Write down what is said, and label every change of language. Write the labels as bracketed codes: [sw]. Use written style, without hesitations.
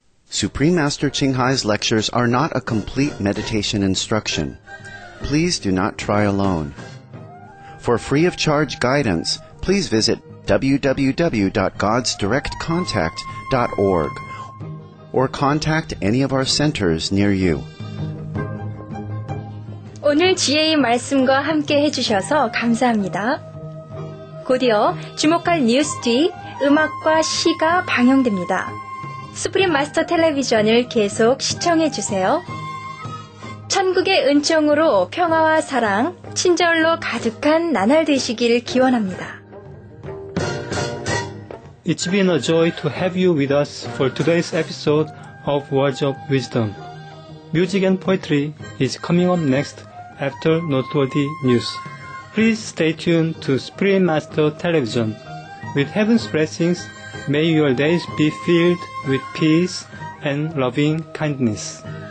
[en] Supreme Master Qinghai's lectures are not a complete meditation instruction. Please do not try alone. For free of charge guidance, please visit www.godsdirectcontact.org or contact any of our centers near you. [ko] 오늘 지혜의 말씀과 함께 해주셔서 감사합니다. 곧이어 주목할 뉴스 뒤 음악과 시가 방영됩니다. 스프림 마스터 텔레비전을 계속 시청해주세요. 천국의 은총으로 평화와 사랑, 친절로 가득한 나날 되시길 기원합니다. [en] It's been a joy to have you with us for today's episode of Words of Wisdom. Music and poetry is coming up next after noteworthy news. Please stay tuned to Supreme Master Television. With heaven's blessings, may your days be filled with peace and loving kindness.